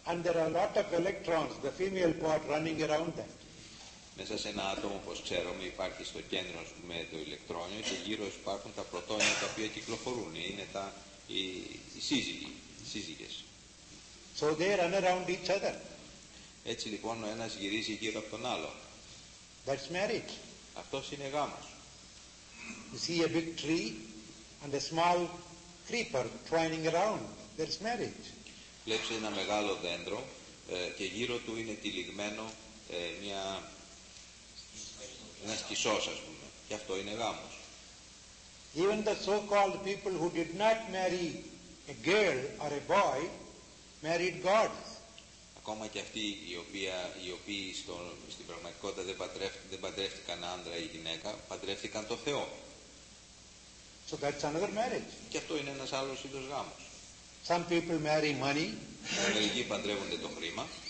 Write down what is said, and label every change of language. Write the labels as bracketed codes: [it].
[en] And there are a lot of electrons, the female part running around them. [el] Μέσα σε ένα άτομο, όπως ξέρουμε, υπάρχει στο κέντρο, ας πούμε, το ηλεκτρόνιο και γύρω υπάρχουν τα πρωτόνια τα οποία κυκλοφορούν. Είναι τα, οι σύζυγοι, οι σύζυγες. [en] So they run around each other. [el] Έτσι λοιπόν ο ένας γυρίζει γύρω από τον άλλο. [en] That's marriage. [el] Αυτός είναι γάμος. [en] You see a big tree and a small creeper twining around. That's marriage. [el] Βλέπεις ένα μεγάλο δέντρο και γύρω του είναι τυλιγμένο μια... ένας κυσός, ας πούμε. Και αυτό είναι γάμος. [en] Even the so-called people who did not marry a girl or a boy married gods. [el] Ακόμα και αυτοί οι οποίοι στην πραγματικότητα δεν παντρεύτηκαν άντρα ή γυναίκα, παντρεύτηκαν το Θεό. [en] So that's another marriage. [el] Και αυτό είναι ένας άλλος είδος γάμος. [en] Some people marry money. [el] Μερικοί παντρεύονται το χρήμα.